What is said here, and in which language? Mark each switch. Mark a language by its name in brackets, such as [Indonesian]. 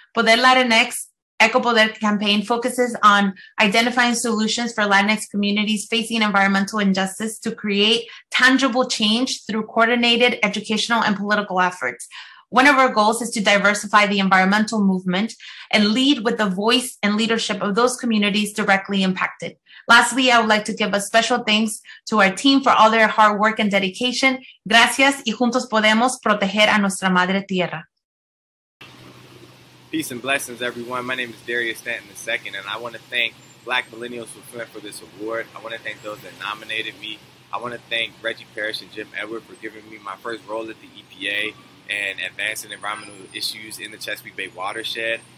[English] Poder Latinx EcoPoder campaign focuses on identifying solutions for Latinx communities facing environmental injustice to create tangible change through coordinated educational and political efforts. One of our goals is to diversify the environmental movement and lead with the voice and leadership of those communities directly impacted. Lastly, I would like to give a special thanks to our team for all their hard work and dedication. [Spanish] Gracias y juntos podemos proteger a nuestra madre tierra. [English] Peace and blessings, everyone. My name is Darius Stanton II, and I want to thank Black Millennials for this award. I want to thank those that nominated me. I want to thank Reggie Parrish and Jim Edward for giving me my first role at the EPA and advancing environmental issues in the Chesapeake Bay watershed.